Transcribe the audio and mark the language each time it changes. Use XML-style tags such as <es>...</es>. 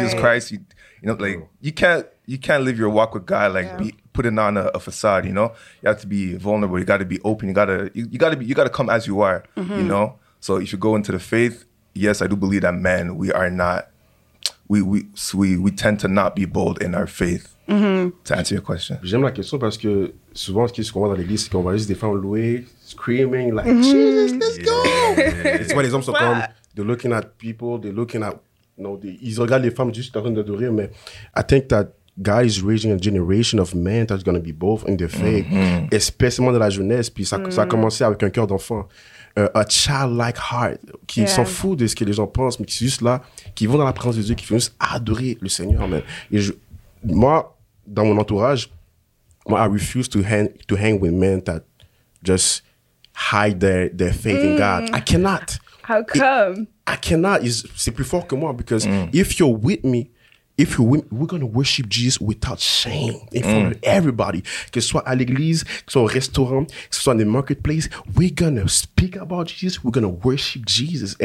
<en>Jesus Christ, you can't live your walk with God, like, putting on a facade, you know? You have to be vulnerable. You got to be open. You got to come as you are, you know? So if you go into the faith, yes, I do believe that, man, we are not, We tend to not be bold in our faith. To answer your question.</en> <fr>J'aime la question parce que souvent ce qu'on voit dans l'église, c'est qu'on va juste des femmes louer,</fr> <en>screaming like, Jesus, let's go!</en> <fr>C'est pourquoi les hommes sont comme,</fr> <en>they're looking at people, they're looking at,</en> <fr>ils regardent les femmes juste en train d'adorer, mais</fr> <en>I think that God is raising a generation of men that's going to be bold in their faith, especially</en> <fr>dans la jeunesse, puis ça a commencé avec un cœur d'enfant.</fr> <en>A childlike heart,</en> <fr>qui s'en fout de ce que les gens pensent, mais qui sont juste là, qui vont dans la présence de Dieu, qui font juste adorer le Seigneur.</fr> <en>Man.</en> <fr>Et dans mon entourage, moi,</fr> <en>I refuse to hang with men that just hide their faith in God. I cannot. How come? I cannot.</en> <fr>C'est plus fort que moi,</fr> <en>because if you're with me, we're going to worship Jesus without shame in front of everybody,</en> <fr>que ce soit à l'église, que ce soit au restaurant, que ce soit dans le</fr> <en>marketplace, we're going to speak about Jesus, we're going to worship Jesus.</en>